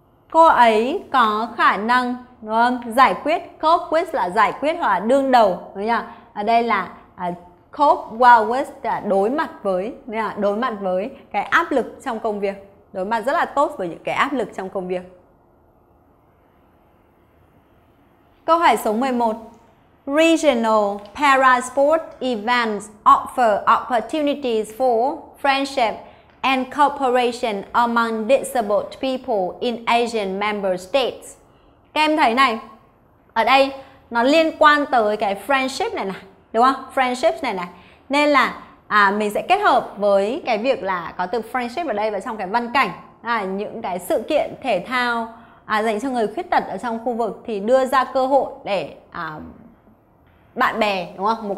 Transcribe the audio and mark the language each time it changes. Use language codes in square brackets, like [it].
[vi] Cô ấy có khả năng, đúng không? Giải quyết, cope with là giải quyết hoặc là đương đầu, đúng không? Ở đây là cope well with, là đối mặt với, là đối mặt với cái áp lực trong công việc. Đối mặt rất là tốt với những cái áp lực trong công việc. Câu hỏi số 11. [en] Regional parasport events offer opportunities for friendship and cooperation among disabled people in Asian member states. [vi] Các em thấy này, ở đây nó liên quan tới cái friendship này nè, đúng không? Friendship này nè. Nên là mình sẽ kết hợp với cái việc là có từ friendship ở đây và trong cái văn cảnh là những cái sự kiện thể thao dành cho người khuyết tật ở trong khu vực thì đưa ra cơ hội để bạn bè, đúng không?